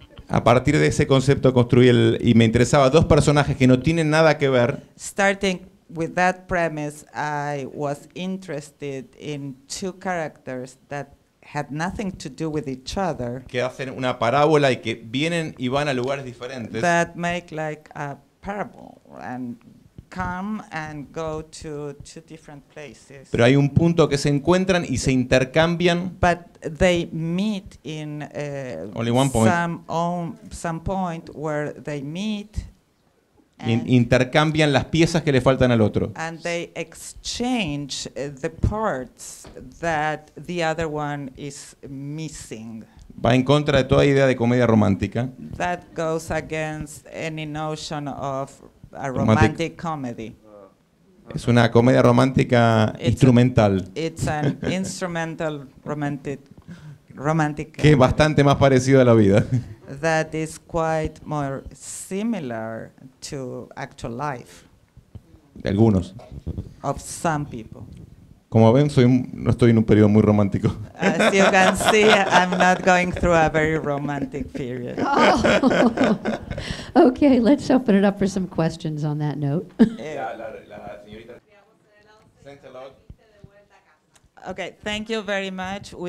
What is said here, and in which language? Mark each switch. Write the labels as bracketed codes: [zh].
[es] A partir de ese concepto construí y me interesaba dos personajes que no tienen nada que ver. [en] Starting with that premise, I was interested in two characters that had nothing to do with each other. [es] Que hacen una parábola y que vienen y van a lugares diferentes. [en] That make like a parable and come and go to two different places. [es] Pero hay un punto que se encuentran y se intercambian. [en] But they meet in only one point. Some point where they meet. [es] Intercambian las piezas que le faltan al otro. [en] And they exchange the parts that the other one is missing. [es] Va en contra de toda idea de comedia romántica. [en] That goes against any notion of a romantic comedy. [es] Es una comedia romántica instrumental. [en] It's an instrumental romantic [es] comedy. Que es bastante más parecido a la vida. [en] That is quite more similar to actual life. [es] De algunos. [en] Of some people. [es] Como ven, no estoy en un periodo muy romántico. [en] As you can see, I'm not going through a very romantic period. Oh. Okay, let's open it up for some questions on that note. Okay, thank you very much.